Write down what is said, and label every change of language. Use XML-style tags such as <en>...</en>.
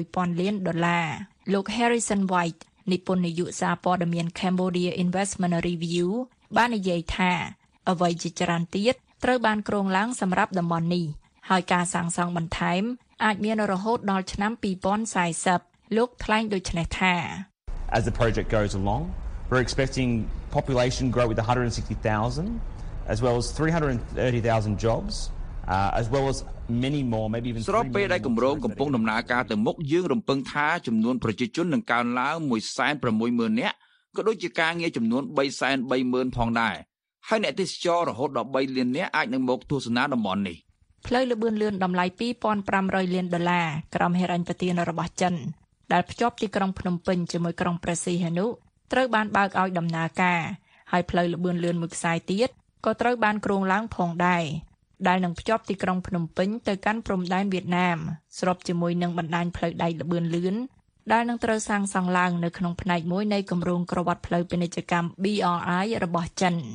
<km>$160,000លោក Harrison White និពន្ធនាយកសារព័ត៌មាន Cambodia Investment Review បាននិយាយថាអ្វីជាច្រើនទៀតត្រូវបានគ្រោងឡើងសម្រាប់តំបន់នេះហើយការសាងសង់បន្ថែមអាចមានរហូតដល់ឆ្នាំ2040លោកថ្លែងដូចនេះថា</km> <en>As the project goes along we're expecting population grow with 160,000 as well as 330,000 jobs as well as many more maybe even three</en> <km>ពេលដែលគម្រោងកំពុងដំណើរការទៅមុខយើងរំពឹងថាចំនួនប្រជាជននឹងកើនឡើង 160,000 នាក់ក៏ដូចជាការងារចំនួន 330,000 ផងដែរហើយអ្នកទេសចររហូតដល់3លាននាក់អាចនឹងមកទស្សនាតំបន់នេះ ផ្លូវលបឿនលឿនតម្លៃ$2,500,000ក្រុមហេរ៉ាញ់ប្រទីនរបស់ចិនដែលភ្ជាប់ទីក្រុងភ្នំពេញជាមួយក្រុងព្រះសីហនុត្រូវបានបើកឲ្យដំណើរការហើយផ្លូវលបឿនលឿនមួយខ្សែទៀតក៏ត្រូវបានគ្រោងឡើងផងដែរដែលនឹងភ្ជាប់ទីក្រុងភ្នំពេញទៅកាន់ព្រំដែនវៀតណាមស្របជាមួយនឹងបណ្ដាញផ្លូវដែកលបឿនលឿនដែលនឹងត្រូវសាងសង់ឡើងនៅក្នុងផ្នែកមួយនៃគម្រោងក្រវ៉ាត់ផ្លូវពាណិជ្ជកម្ម BRI របស់ចិន</km>